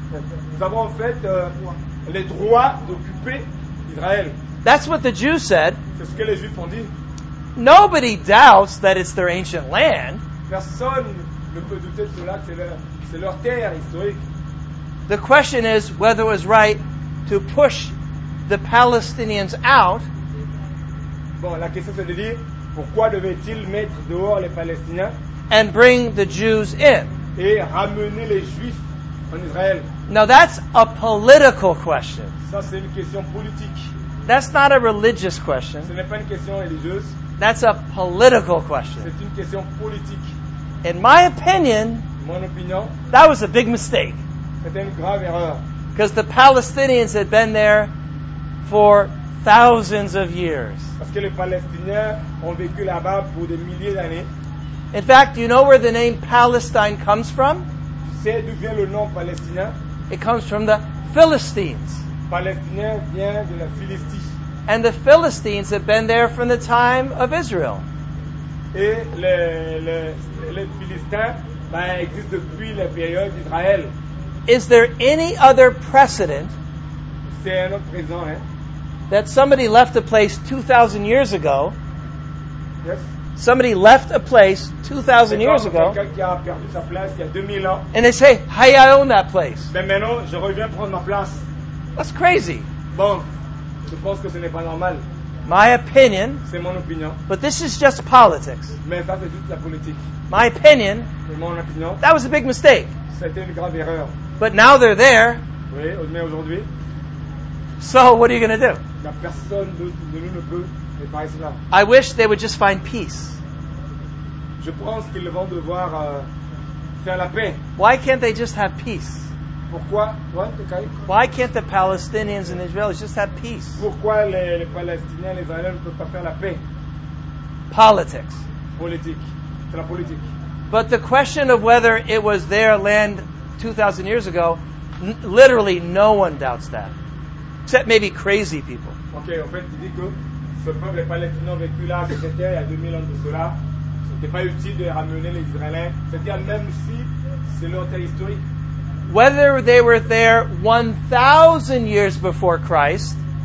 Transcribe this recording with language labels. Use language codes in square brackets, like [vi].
[fr] Nous avons en fait les droits d'occuper Israël. [en] That's what the Jews said. [fr] C'est ce que les Juifs ont dit. [en] Nobody doubts that it's their ancient land. [fr] Personne ne peut douter de cela, que c'est leur terre historique. [en] The question is whether it was right to push the Palestinians out. [fr] Bon, la question c'est de dire pourquoi devait-il mettre dehors les Palestiniens? [en] And bring the Jews in. [fr] Et ramener les Juifs en Israël. [en] Now that's a political question. [fr] Ça c'est une question politique. [en] That's not a religious question. [fr] Ce n'est pas une question religieuse. [en] That's a political question. [fr] C'est une question politique. [en] In my opinion, [fr] mon opinion, [en] that was a big mistake. [fr] C'était une grave erreur. [en] Because the Palestinians had been there for thousands of years. [fr] Parce que les Palestiniens ont vécu là-bas pour des milliers d'années. [en] In fact, do you know where the name Palestine comes from? [fr] Tu sais d'où vient le nom palestinien? [en] It comes from the Philistines. [fr] Palestinien vient de la Philistie. [en] And the Philistines had been there from the time of Israel. [fr] Et les Philistins, existent depuis la période d'Israël. [en] Is there any other precedent? [fr] C'est un autre présent, hein? [en] That somebody left a place 2,000 years ago? Yes. Somebody left a place 2,000 years ago. [fr] Qui a perdu sa place il y a 2000 ans. [en] And they say, hey, I own that place. [fr] Mais maintenant, je reviens prendre ma place. [en] That's crazy. [fr] Bon, je pense que ce n'est pas normal. [en] My opinion. [fr] C'est mon opinion. [en] But this is just politics. [fr] Mais ça, c'est juste la politique. [en] My opinion. [fr] C'est mon opinion. [en] That was a big mistake. [fr] C'était une grave erreur. [en] But now they're there. [fr] Oui, mais aujourd'hui. [en] So what are you going to do? [fr] La personne de nous ne peut. [en] I wish they would just find peace. [fr] Je pense qu'ils vont devoir faire la paix. [en] Why can't they just have peace? [fr] Pourquoi? [en] Why can't the Palestinians and Israelis just have peace? [fr] Pourquoi les Palestiniens et les Israéliens ne peuvent pas faire la paix? [en] Politics. [fr] Politique. C'est la politique. [en] But the question of whether it was their land 2,000 years ago, literally no one doubts that. Except maybe crazy people. [fr] Okay, en fait, tu dis que ce peuple palestinien a vécu là, c'était il y a 2000 ans de cela. Ce n'était pas utile de ramener les Israéliens. C'est-à-dire même si c'est leur terre historique. [en] Whether they were there 1,000 years before Christ,